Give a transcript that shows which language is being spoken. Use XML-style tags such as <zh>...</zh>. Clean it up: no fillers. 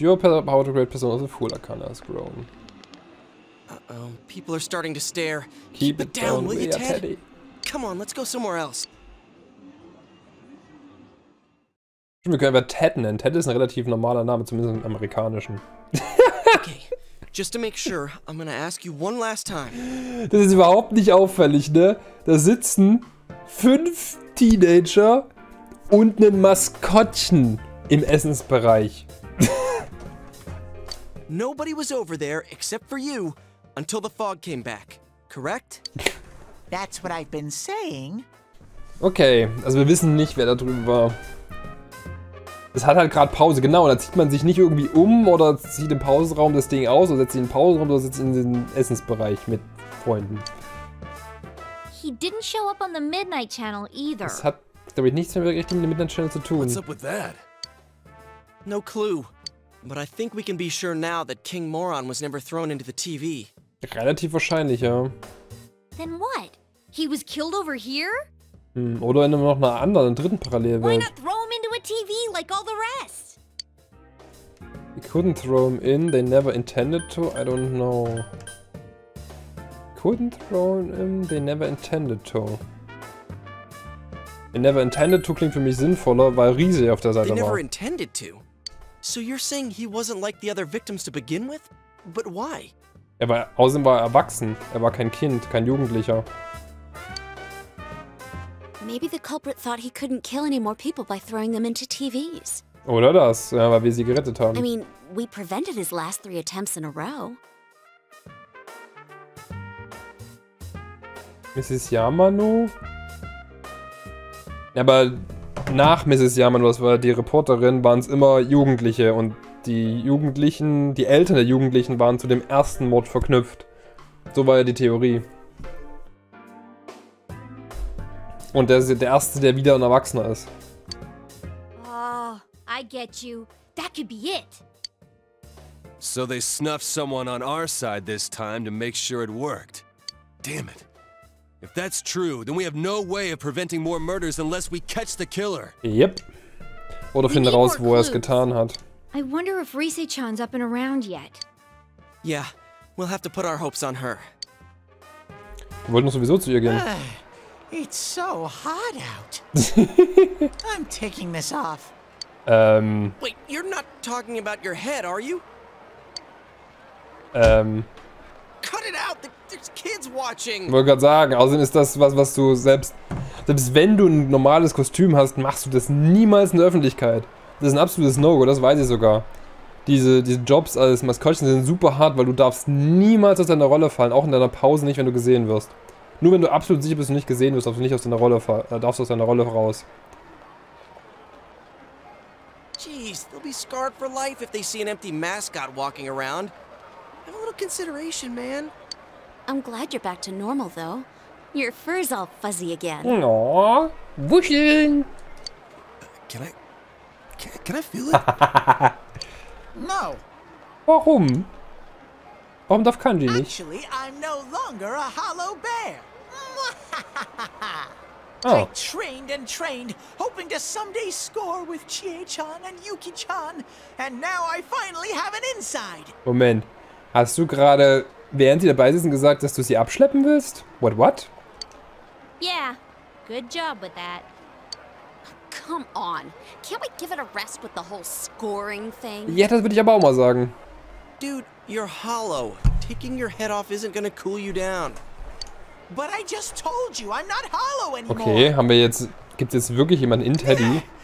<en>Your power to create persona as a fool arcana has grown. People are starting to stare. Keep it down, will you, Teddy? Come on, let's go somewhere else.</en> <de>Stimmt, wir können aber Ted nennen. Ted ist ein relativ normaler Name, zumindest im amerikanischen.</de> <en>Okay, just to make sure, I'm gonna ask you one last time.</en> <de>Das ist überhaupt nicht auffällig, ne? Da sitzen 5 Teenager und ein Maskottchen im Essensbereich.</de> <en>Nobody was over there except for you until the fog came back, correct? That's what I've been saying.</en> <de>Okay, also wir wissen nicht, wer da drüben war. Es hat halt gerade Pause, genau, da zieht man sich nicht irgendwie um oder zieht im Pausenraum das Ding aus oder setzt sich in den Pausenraum oder sitzt in den Essensbereich mit Freunden.</de> <en>He didn't show up on the Midnight Channel either.</en> <de>Das hat, glaube ich, nichts mehr wirklich mit dem Midnight Channel zu tun.</de> <en>What's up with that? No clue. But I think we can be sure now that King Moron was never thrown into the TV.</en> <de>Relativ wahrscheinlich, ja.</de> <en>Then what? He was killed over here?</en> <de>Oder in noch einer anderen, einer dritten Parallelwelt.</de> <en>Why not throw him into a TV like all the rest? We couldn't throw him in, they never intended to, I don't know. Couldn't throw him, they never intended to. They never intended to</en> <de>klingt für mich sinnvoller, weil Riese auf der Seite</de> <en>they They never intended to? So you're saying he wasn't like the other victims to begin with? But why?</en> <de>Er war, außerdem war er erwachsen. Er war kein Kind, kein Jugendlicher.</de> <en>Maybe the culprit thought he couldn't kill any more people by throwing them into TVs.</en> <de>Oder das, ja, weil wir sie gerettet haben.</de> <en>I mean, we prevented his last 3 attempts in a row. Mrs. Yamano?</en> <de>Ja, aber nach Mrs. Yamano, das war die Reporterin, waren es immer Jugendliche und die Jugendlichen, die Eltern der Jugendlichen waren zu dem ersten Mord verknüpft. So war ja die Theorie. Und der erste, der wieder ein Erwachsener ist.</de> <en>Oh, I get you. That could be it. So they snuffed someone on our side this time to make sure it worked. Damn it. If that's true, then we have no way of preventing more murders unless we catch the killer.</en> <de>Yep. Oder finden raus, wo er es getan hat.</de> <en>I wonder if Risei-chan's up and around yet. Yeah, we'll have to put our hopes on her.</en> <de>Wir wollten sowieso zu ihr gehen.</de> <en>It's so hot out. I'm taking this off. Wait, you're not talking about your head, are you? Cut it out. There's kids watching.</en> <de>Wollte gerade sagen, außerdem ist das was du selbst wenn du ein normales Kostüm hast, machst du das niemals in der Öffentlichkeit. Das ist ein absolutes No-Go, das weiß ich sogar. Diese Jobs als Maskottchen sind super hart, weil du darfst niemals aus deiner Rolle fallen, auch in deiner Pause nicht, wenn du gesehen wirst. Nur wenn du absolut sicher bist und nicht gesehen wirst, darfst du nicht aus deiner Rolle darfst du aus deiner Rolle raus.</de> <en>Jeez, they'll be scarred for life if they see an empty mascot walking around. Have a little consideration, man. I'm glad you're back to normal though. Your fur's all fuzzy again.</en> <de>Aww. Wuscheln.</de> <en>Can I feel it? No.</en> <de>Warum? Warum darf Kanji nicht?</de> <en>Actually, I'm no longer a hollow bear. Oh. I trained and trained, hoping to someday score with Chie-chan and Yuki-chan, and now I finally have an inside.</en> <de>Moment, hast du gerade, während sie dabei sitzen, gesagt, dass du sie abschleppen willst?</de> <en>What? Yeah, good job with that. Come on, can't we give it a rest with the whole scoring thing?</en> <de>Ja, das würde ich aber auch mal sagen.</de> <en>Dude, you're hollow. Taking your head off isn't gonna cool you down. But I just told you, I'm not hollow anymore.</en> <de>Okay, haben wir jetzt, gibt's jetzt wirklich jemanden in Teddy?</de>